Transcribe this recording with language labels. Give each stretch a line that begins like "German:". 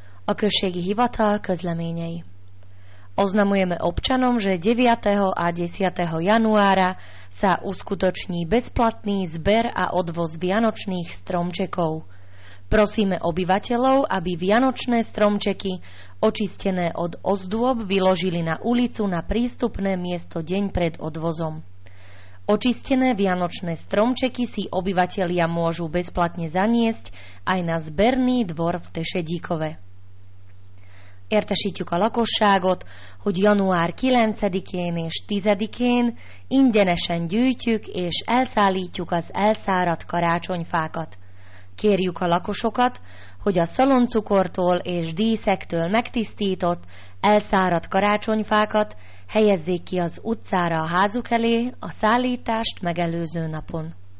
Hungarian: Okršiek Hivatal Közleményei.
Slovak: Oznamujeme občanom, že 9. a 10. januára sa uskutoční bezplatný zber a odvoz vianočných stromčekov. Prosíme obyvateľov, aby vianočné stromčeky, očistené od ozdôb, vyložili na ulicu na prístupné miesto deň pred odvozom. Očistené vianočné stromčeky si obyvatelia môžu bezplatne zaniesť aj na zberný dvor v Tešedíkove.
Hungarian: Értesítjük a lakosságot, hogy január 9-én és 10-én ingyenesen gyűjtjük és elszállítjuk az elszáradt karácsonyfákat. Kérjük a lakosokat, hogy a szaloncukortól és díszektől megtisztított, elszáradt karácsonyfákat helyezzék ki az utcára a házuk elé a szállítást megelőző napon.